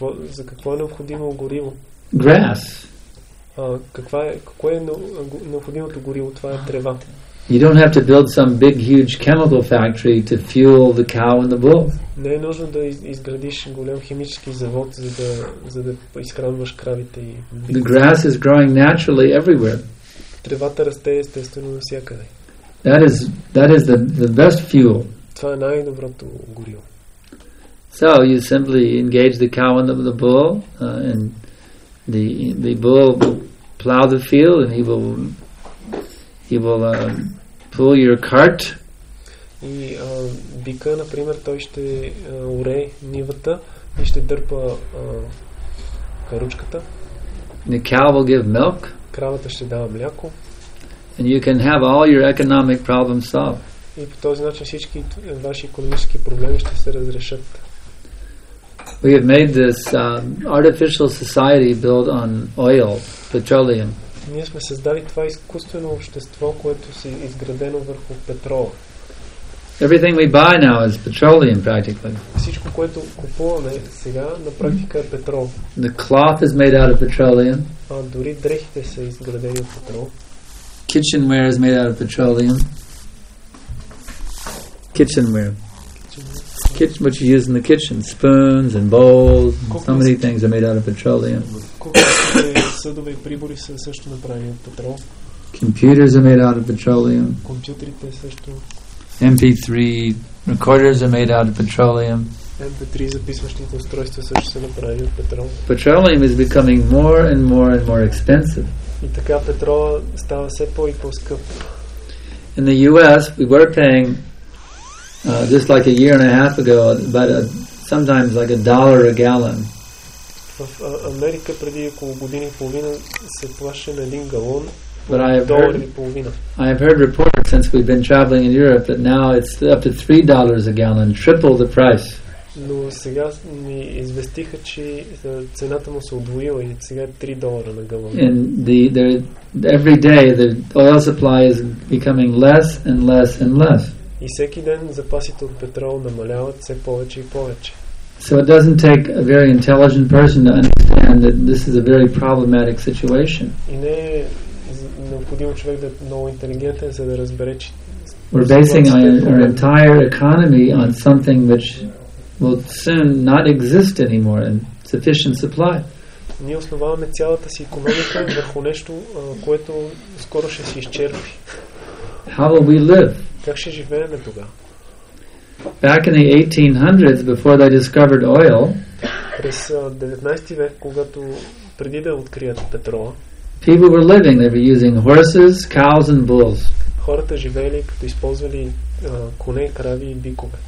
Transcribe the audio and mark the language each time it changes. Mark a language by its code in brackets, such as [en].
[bg] За какво е необходимо гориво? [en] Grass. [bg] Какво е необходимото гориво? Това е трева. [en] You don't have to build some big huge chemical factory to fuel the cow and the bull. [bg] Не е нужно да изградиш голям химически завод, за да изхранваш кравите и биковете. [en] The grass is growing naturally everywhere. [bg] Тревата расте естествено навсякъде. [en] That is the best fuel. [bg] Това е най-доброто гориво. [en] So you simply engage the cow and the bull, and the bull will plow the field and he will pull your cart. [bg] И бика, например, той ще оре нивата и ще дърпа каручката. [en] The cow will give milk. [bg] Кравата ще дава мляко. [en] And you can have all your economic problems solved. [bg] И по този начин всички ваши икономически проблеми ще се разрешат. [en] We have made this artificial society built on oil, petroleum. [bg] Ние сме създали това изкуствено общество, което е изградено върху петрол. [en] Everything we buy now is petroleum, practically. [bg] Всичко, което купуваме сега, на практика е петрол. [en] The cloth is made out of petroleum. [bg] Дори дрехите са изградени от петрол. [en] Kitchenware is made out of petroleum. Kitchenware. Kitchen, what you use in the kitchen, spoons and bowls, and so many things are made out of petroleum. [bg] Съдове и прибори са също направени от петрол. [en] Computers are made out of petroleum. [bg] Компютрите също. [en] MP3 recorders are made out of petroleum. [bg] MP3 записващите устройства също са направени от петрол. [en] Petroleum is becoming more and more and more expensive. [bg] И така петрола става все по и по-скъп. [en] In the US, we were paying just like a year and a half ago, but sometimes like $1 a gallon. [bg] В Америка преди около година и половина се плаше на един галон. [en] But I have heard reports since we've been traveling in Europe that now it's up to $3 a gallon, triple the price. [bg] Но сега ми известиха, че цената му се удвоила и сега е $3 на галон. [en] And every day the oil supply is becoming less and less and less. [bg] И всеки ден запасите от петрол намаляват все повече и повече. [en] So it doesn't take a very intelligent person to understand that this is a very problematic situation. [bg] И не е необходимо човек да е много интелигентен, за да разбере, че [en] we're basing our entire economy on something which will soon not exist anymore in sufficient supply. [bg] Ние основаваме цялата си икономика върху нещо, което скоро ще се изчерпи. [en] How will we live? [bg] Как ще живеем тога? [en] Back in the 1800s, before they discovered oil, [bg] през 19 век, когато преди да открият петрола, [en] people were living. They were using horses, cows and bulls. [bg] Хората живели като използвали коне, крави и бикове.